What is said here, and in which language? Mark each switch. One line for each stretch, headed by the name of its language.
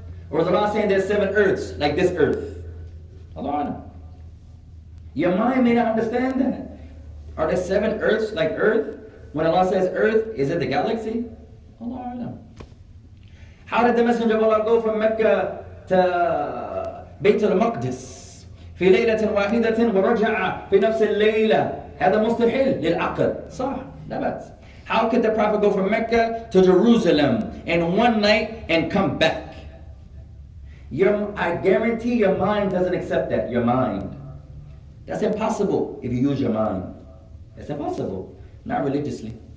English: Or is Allah saying there's seven earths, like this earth? Allah knows. Your mind may not understand that. Are there seven earths like earth? When Allah says earth, is it the galaxy? Allah knows. How did the Messenger of Allah go from Mecca to Bayt al-Maqdis?
Arabic: في ليلة واحدة ورجع في نفس الليلة. هذا مستحيل للعقل. صح. نبات.
English: How could the Prophet go from Mecca to Jerusalem in one night and come back? I guarantee your mind doesn't accept that. Your mind. That's impossible if you use your mind. It's impossible. Not religiously.